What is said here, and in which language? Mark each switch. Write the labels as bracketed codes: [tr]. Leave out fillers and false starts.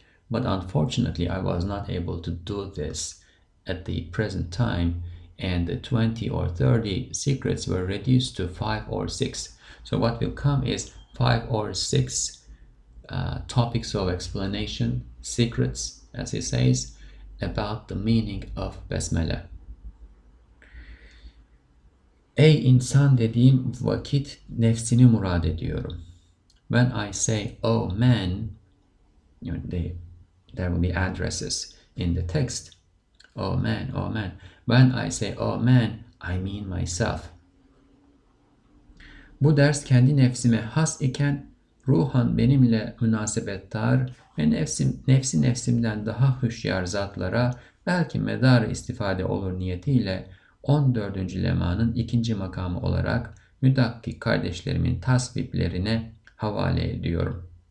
[en] But unfortunately, I was not able to do this at the present time, and the 20 or 30 secrets were reduced to 5 or 6. So what will come is 5 or 6 topics of explanation, secrets, as he says, about the meaning of Besmele. [tr] Ey insan dediğim vakit nefsini murad ediyorum. [en] When I say, oh man, there will be addresses in the text. Oh man, oh man. When I say, oh man, I mean myself. [tr] Bu ders kendi nefsime has iken, ruhan benimle münasebettar ve nefsi nefsimden daha hüşyar zatlara belki medar istifade olur niyetiyle 14. lemanın ikinci makamı olarak müdakkik kardeşlerimin tasviplerine havale ediyorum.